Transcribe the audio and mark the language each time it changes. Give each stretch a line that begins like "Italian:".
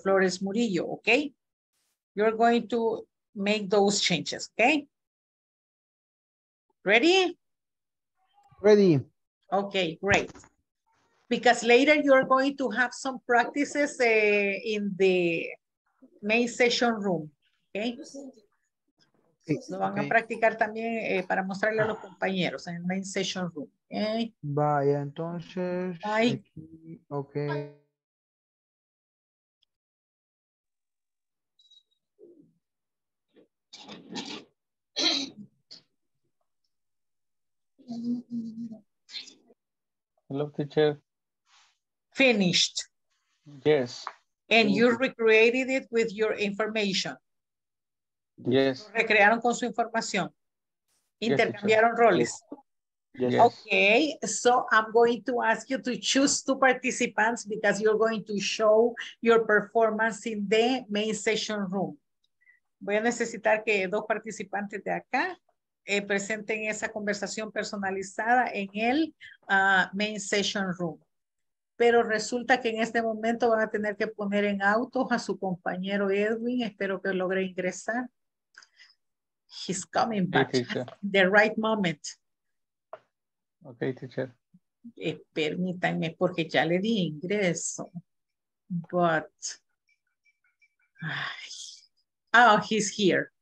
English: Flores Murillo, okay? You're going to make those changes, okay? Ready? Ready. Okay, great. Because later you're going to have some practices in the main session room, okay?
Spanish: Sí. Lo van okay. a practicar también para mostrarle a los compañeros en el main session room.
English: Okay.
Spanish: Vaya, entonces. Bye. Aquí,
English: ok. Hello, teacher. Finished. Yes. And you recreated it with your information. Yes.
Spanish: Recrearon con su información. Intercambiaron yes, roles.
English: Yes. Okay, so I'm going to ask you to choose two participants because you're going to show your performance in the main session room.
Spanish: Voy a necesitar que dos participantes de acá presenten esa conversación personalizada en el main session room. Pero resulta que en este momento van a tener que poner en autos a su compañero Edwin. Espero que logre ingresar.
English: He's coming back okay, in the right moment. Okay, teacher.
Spanish: Permítanme, porque ya le di ingreso.
English: But, oh, he's here.